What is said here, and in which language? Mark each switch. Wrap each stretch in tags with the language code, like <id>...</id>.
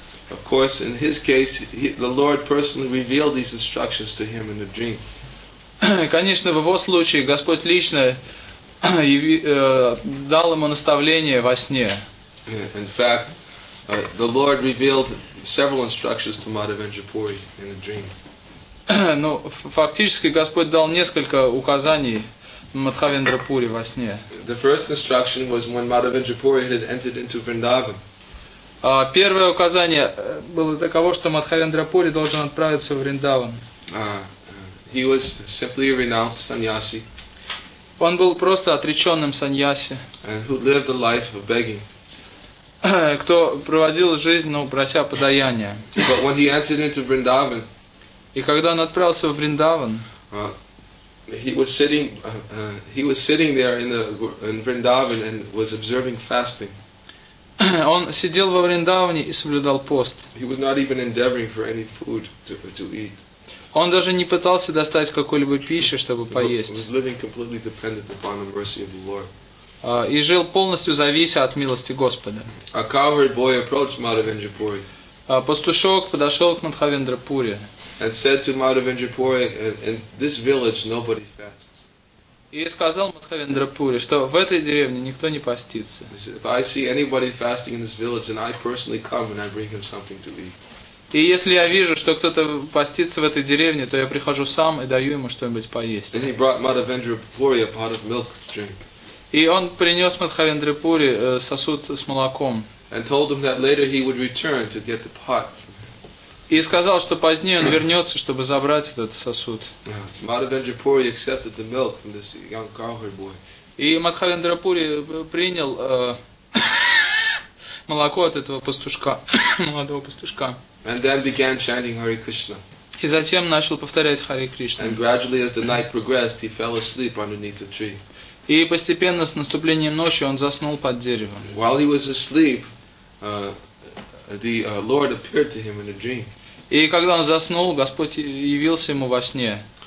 <en>Of course, in his case, the Lord personally revealed these instructions to him in a dream.</en> <ru>Конечно, в его случае Господь лично дал ему наставление во сне.</ru> <en>In fact, the Lord revealed several instructions to Madhavendrapuri in a dream.</en> <ru>Ну, фактически Господь дал несколько указаний Мадхавендрапури во сне.</ru> <en>The first instruction was when Madhavendrapuri had entered into Vrindavan.</en> <ru>Первое указание было таково, что Мадхавендра Пури должен отправиться в Вриндаван.</ru> <en>He was simply a renounced sannyasi.</en> <ru>Он был просто отреченным саньяси.</ru> <en>And who lived a life of begging.</en> <ru>Кто проводил жизнь, ну, прося подаяния.</ru> <en>But when he entered into Vrindavan,</en> <ru>и когда он отправился в Вриндаван,</ru> <en>he was sitting there in Vrindavan and was observing fasting.</en> <ru>Он сидел во Вриндаване и соблюдал пост.</ru> <en>He was not even endeavoring for any food to eat.</en> <ru>Он даже не пытался достать какой-либо пищи, чтобы поесть.</ru> <en>He was living completely dependent upon the mercy of the Lord.</en> <ru>И жил полностью завися от милости Господа.</ru> <en>A cowherd boy approached Madhavendrapuri.</en> <ru>Пастушок подошел к Мадхавендрапури.</ru> <en>And said to Madhavendrapuri, "In this village, nobody fasts."</en> <ru>И сказал Мадхавендрапури, что в этой деревне никто не постится.</ru> <en>If I see anybody fasting in this village, then I personally come and I bring him something to eat.</en> <ru>И если я вижу, что кто-то постится в этой деревне, то я прихожу сам и даю ему что-нibудь поесть.</ru> <en>And he brought Madhavendrapuri a pot of milk to drink.</en> <ru>И он принес Мадхавендрапури сосуд с молоком.</ru> <en>And told him that later he would return to get the pot.</en> <ru>И сказал, что позднее он вернется, чтобы забрать этот сосуд.</ru> <en>Madhavendrapuri accepted the milk from this young cowherd boy.</en> <ru>И Мадхавендрапури принял молоко от этого пастушка, молодого пастушка.</ru> <en>And then began chanting Hare Krishna.</en> <ru>И затем начал повторять Харе Кришна.</ru> <en>And gradually, as the night progressed, he fell asleep underneath the tree.</en> <ru>И постепенно с наступлением ночи он заснул под деревом.</ru> <en>While he was asleep, the Lord appeared to him in a dream.</en> <ru>И когда он заснул, Господь явился ему во сне.</ru>